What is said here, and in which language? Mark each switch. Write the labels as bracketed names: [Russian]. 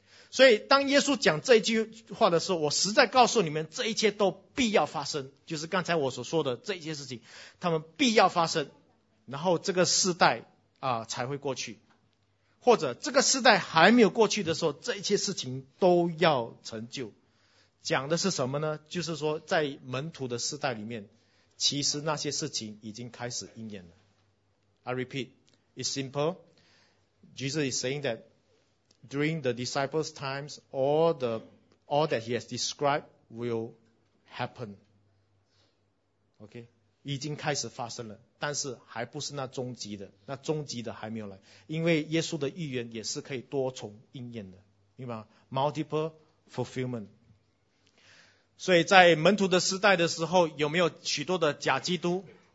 [Chinese] 所以当耶稣讲这句话的时候，我实在告诉你们，这一切都必要发生，就是刚才我所说的这一些事情，他们必要发生，然后这个世代才会过去。或者这个时代还没有过去的时候，这一切事情都要成就。讲的是什么呢？就是说在门徒的时代里面，其实那些事情已经开始应验了。 [English] I repeat, it's simple. Jesus is saying that during the disciples' times, all that he has described will happen. Okay? [Chinese] 已经开始发生了，但是还不是那终极的，那终极的还没有来，因为耶稣的预言也是可以多重应验的，明白吗？ [English] Multiple fulfillment。 [Chinese] 所以在门徒的时代的时候，有没有许多的假基督？